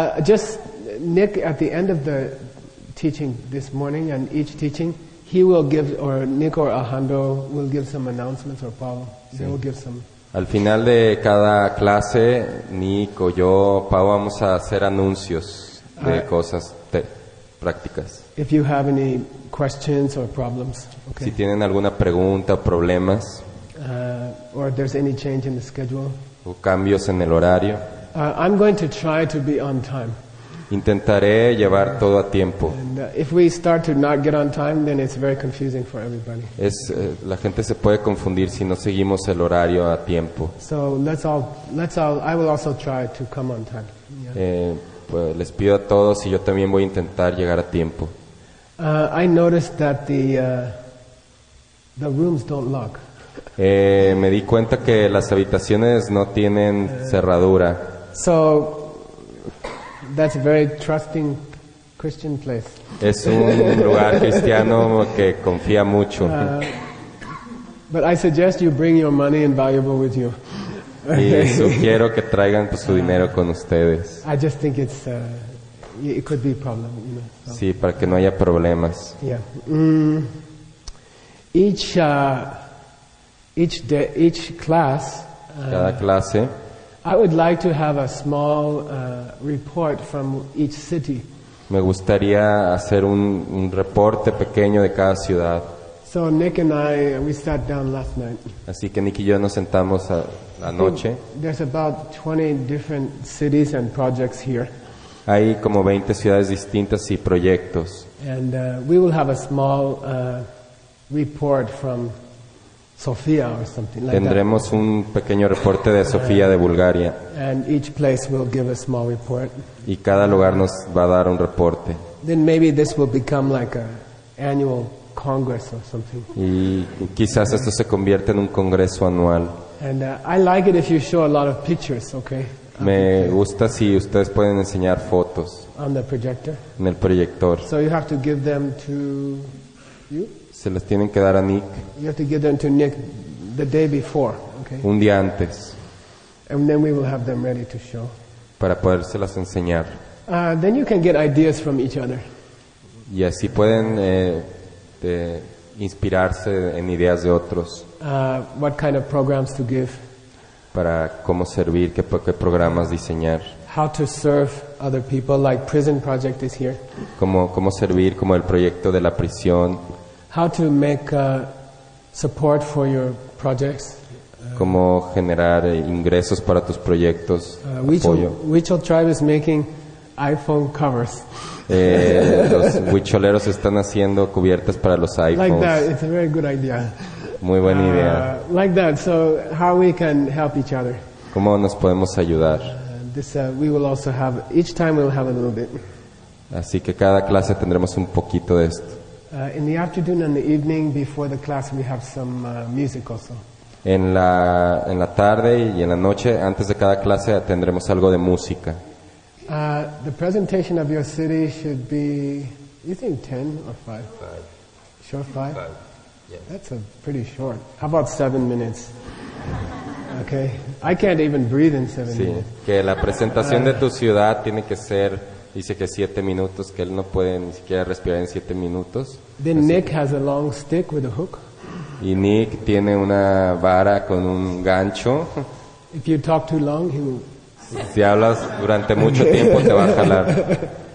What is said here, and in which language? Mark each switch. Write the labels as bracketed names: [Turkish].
[English] Just Nick at the end of the teaching this morning and each teaching, he will give, or Nick or Alejandro will give some announcements, or Paul. [Spanish] Sí. [English] They will give some. [Spanish] Al final de cada clase, Nick o yo, Pau, vamos a hacer anuncios de cosas prácticas. [English] If you have any questions or problems, okay. [Spanish] Si tienen alguna pregunta o problemas, [English] or if there's any change in the schedule, [Spanish] o cambios en el horario, [English] I'm going to try to be on time. [Spanish] Intentaré llevar todo a tiempo. [English] And, if we start to not get on time, then it's very confusing for everybody. [Spanish] La gente se puede confundir si no seguimos el horario a tiempo. [English] So let's all. I will also try to come on time. Yeah. [Spanish] Pues les pido a todos y yo también voy a intentar llegar a tiempo. [English] I noticed that the The rooms don't lock. [Spanish] Me di cuenta que las habitaciones no tienen cerradura. [English] So that's a very trusting Christian place. [Spanish] Es un lugar cristiano que confía mucho. [English] But I suggest you bring your money and valuable with you. [Spanish] Y sugiero que traigan pues, su dinero con ustedes. [English] I just think it's it could be a problem, you know. [Spanish] Sí, para que no haya problemas. [English] Yeah. Each class. [Spanish] Cada clase. [English] I would like to have a small report from each city. [Spanish] Me gustaría hacer un reporte pequeño de cada ciudad. [English] So Nick and I, we sat down last night. [Spanish] Así que Nick y yo nos sentamos la noche. [English] There's about 20 different cities and projects here. [Spanish] Hay como 20 ciudades distintas y proyectos. [English] And we will have a small report from Sofía or something like [Spanish] Tendremos [English] that. [Spanish] Un pequeño reporte de Sofía de Bulgaria. [English] And each place will give a small report. [Spanish] Y cada lugar nos va a dar un reporte. [English] Then maybe this will become like a annual congress or something. [Spanish] Y quizás esto se convierta en un congreso anual. [English] And I like it if you show a lot of pictures, okay? [Spanish] Me gusta si ustedes pueden enseñar fotos. [English] On the projector. [Spanish] En el proyector. [English] So you have to give them to you. [Spanish] Se las tienen que dar a Nick. [English] You have to give them to Nick the day before, okay? [Spanish] Un día antes. [English] And then we will have them ready to show. [Spanish] Para podérselas enseñar. [English] Then you can get ideas from each other. [Spanish] Y así pueden inspirarse en ideas de otros. [English] What kind of programs to give? [Spanish] Para cómo servir, qué programas diseñar. [English] How to serve other people, like prison project is here. [Spanish] Cómo servir, como el proyecto de la prisión. [English] How to make support for your projects. [Spanish] Cómo generar ingresos para tus proyectos. [English] Huichol tribe is making iPhone covers. [Spanish] Los huicholeros están haciendo cubiertas para los iPhones. [English] Like that, it's a very good idea. [Spanish] Muy buena idea. [English] Like that, so how we can help each other. [Spanish] Cómo nos podemos ayudar. [English] We will also have, each time we'll have a little bit. [Spanish] Así que cada clase tendremos un poquito de esto. [English] In the afternoon and the evening before the class we have some music also. [Spanish] En la tarde y en la noche antes de cada clase tendremos algo de música. [English] The presentation of your city should be, you think 10 or 5? 5. Sure, 5? 5. Yeah. That's a pretty short. How about 7 minutes? Okay. I can't even breathe in 7 [Spanish] sí. [English] minutes. [Spanish] Que la presentación de tu ciudad tiene que ser, dice que 7 minutos, que él no puede ni siquiera respirar en 7 minutos. [English] Then [Spanish] así. [English] Nick has a long stick with a hook. [Spanish] Y Nick tiene una vara con un gancho. [English] If you talk too long, he will. [Spanish] Si hablas durante mucho tiempo te va a jalar.